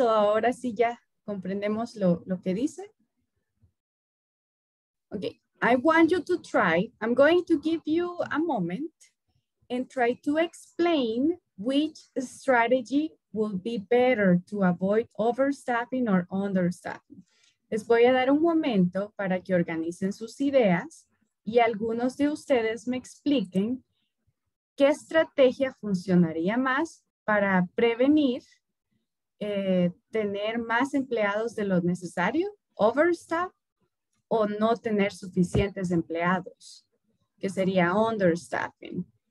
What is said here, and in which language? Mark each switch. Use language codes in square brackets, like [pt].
[es] O ahora sí ya comprendemos lo que dice. [en] Okay, I want you to try. I'm going to give you a moment and try to explain which strategy will be better to avoid overstaffing or understaffing. [es] Les voy a dar un momento para que organicen sus ideas. Y algunos de ustedes me expliquen qué estrategia funcionaría más para prevenir tener más empleados de lo necesario, overstaff, o no tener suficientes empleados, que sería understaffing.